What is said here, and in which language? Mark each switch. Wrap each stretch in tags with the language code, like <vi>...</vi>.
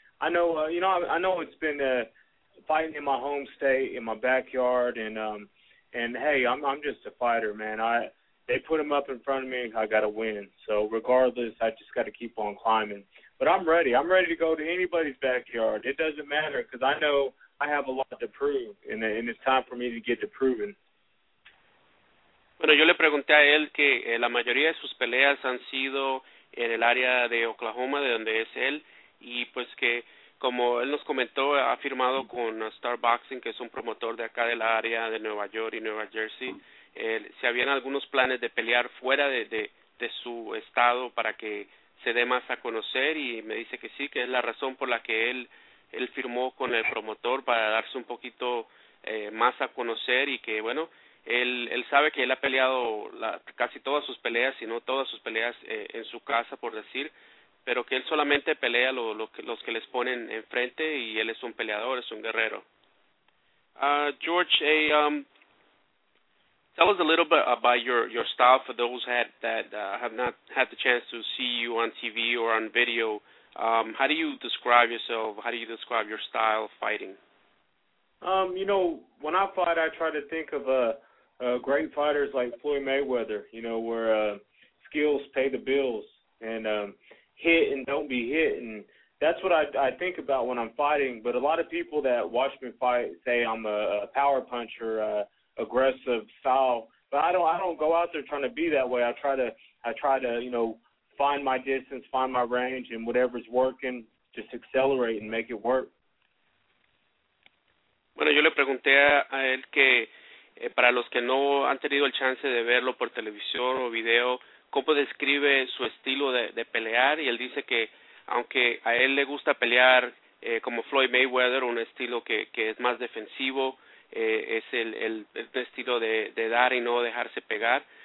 <en>I know, I know it's been fighting in my home state, in my backyard, and hey, I'm just a fighter, man. They put him up in front of me, I got to win. So regardless, I just got to keep on climbing. But I'm ready. I'm ready to go to anybody's backyard. It doesn't matter because I know I have a lot to prove, and it's time for me to get to proving.</en> <es>Bueno, yo le pregunté a él que la mayoría de sus peleas han sido en el área de Oklahoma, de donde es él, y pues que, como él nos comentó, ha firmado con Star Boxing, que es un promotor de acá del área de Nueva York y Nueva Jersey. Si habían algunos planes de pelear fuera de su estado para que se dé más a conocer, y me dice que sí, que es la razón por la que él firmó con el promotor para darse un poquito más a conocer, y que bueno, él sabe que él ha peleado casi todas sus peleas, si no todas sus peleas en su casa, por decir, pero que él solamente pelea los que les ponen enfrente, y él es un peleador, es un guerrero.</es> <en>George, tell us a little bit about your style for those have not had the chance to see you on TV or on video. How do you describe yourself? How do you describe your style of fighting? You know, when I fight, I try to think of great fighters like Floyd Mayweather, you know, where skills pay the bills and hit and don't be hit. And that's what I think about when I'm fighting. But a lot of people that watch me fight say I'm a power puncher, aggressive style, But I don't go out there trying to be that way. I try to, you know, find my distance, find my range, and whatever's working, just accelerate and make it work.</en> <es>Bueno, yo le pregunté a él que para los que no han tenido el chance de verlo por televisión o video, ¿cómo describe su estilo de pelear? Y él dice que aunque a él le gusta pelear como Floyd Mayweather, un estilo que es más defensivo, es el estilo de dar y no dejarse pegar.</es>